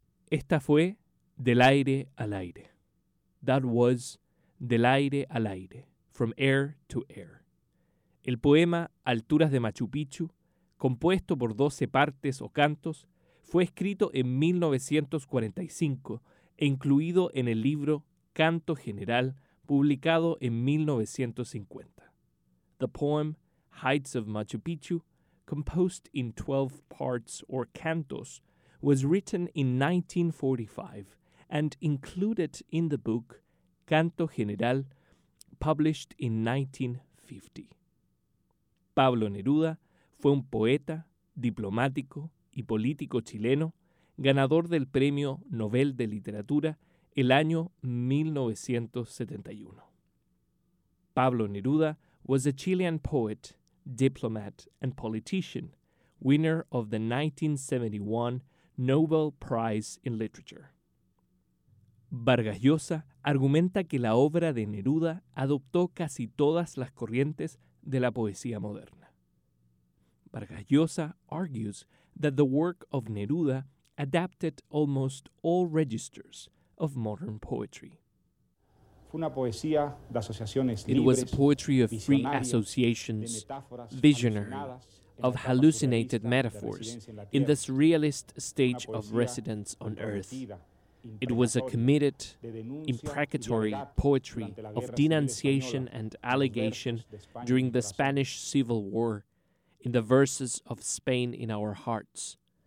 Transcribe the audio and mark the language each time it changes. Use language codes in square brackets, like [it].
[es] Esta fue Del Aire al Aire. [en] That was Del Aire al Aire, From Air to Air. [es] El poema Alturas de Machu Picchu, compuesto por 12 partes o cantos, fue escrito en 1945 e incluido en el libro Canto General, publicado en 1950. [en] The poem Heights of Machu Picchu, composed in 12 parts or cantos, was written in 1945 and included in the book Canto General, published in 1950. [es] Pablo Neruda fue un poeta, diplomático y político chileno, ganador del Premio Nobel de Literatura el año 1971. [en] Pablo Neruda was a Chilean poet, diplomat and politician, winner of the 1971 Nobel Prize in Literature. [es] Vargas Llosa argumenta que la obra de Neruda adoptó casi todas las corrientes de la poesía moderna. [en] Vargas Llosa argues that the work of Neruda adapted almost all registers of modern poetry. [es] Fue una poesía de asociaciones libres, [en] it was a poetry of free associations, visionary, of hallucinated metaphors in the surrealist stage of residence on Earth. It was a committed, imprecatory poetry of denunciation and allegation during the Spanish Civil War in the verses of Spain in our hearts.